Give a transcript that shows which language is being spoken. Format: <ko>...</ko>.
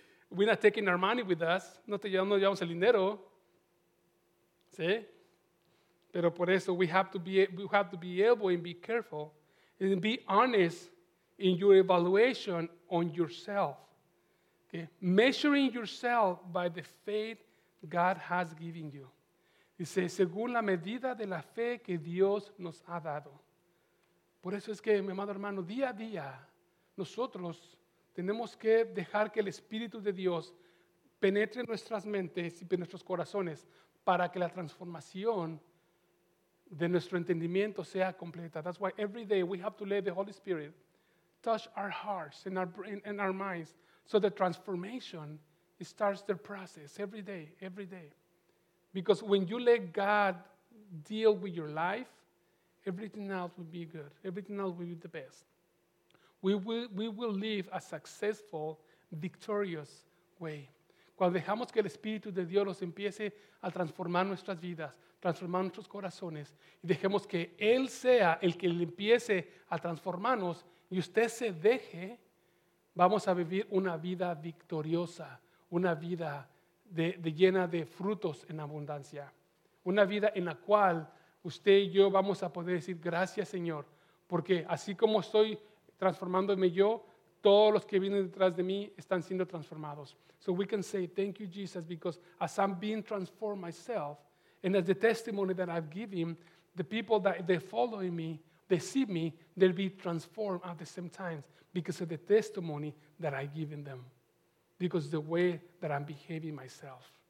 <en>We're not taking our money with us.</en> <es>No te llevamos el dinero. ¿Sí? Pero por eso</es> <en>we have to be able and be careful and be honest in your evaluation on yourself. Okay? Measuring yourself by the faith God has given you.</en> <es>Dice, según la medida de la fe que Dios nos ha dado. Por eso es que, mi amado hermano, día a día, nosotros tenemos que dejar que el Espíritu de Dios penetre en nuestras mentes y en nuestros corazones para que la transformación de nuestro entendimiento sea completa.</es> <en>That's why every day we have to let the Holy Spirit touch our hearts and our brain and our minds so the transformation starts the process every day, every day. Because when you let God deal with your life, everything else will be good. Everything else will be the best. We will live a successful, victorious way.</en> <es>Cuando dejamos que el Espíritu de Dios nos empiece a transformar nuestras vidas, transformar nuestros corazones, y dejemos que Él sea el que empiece a transformarnos, y usted se deje, vamos a vivir una vida victoriosa, una vida de llena de frutos en abundancia, una vida en la cual usted y yo vamos a poder decir gracias, Señor, porque así como estoy transformándome yo, todos los que vienen detrás de mí están siendo transformados.</es> <en>So we can say, thank you, Jesus, because as I'm being transformed myself, and as the testimony that I've given, the people that they're following me, they see me, they'll be transformed at the same time because of the testimony that I've given them, because the way that I'm behaving myself.</en>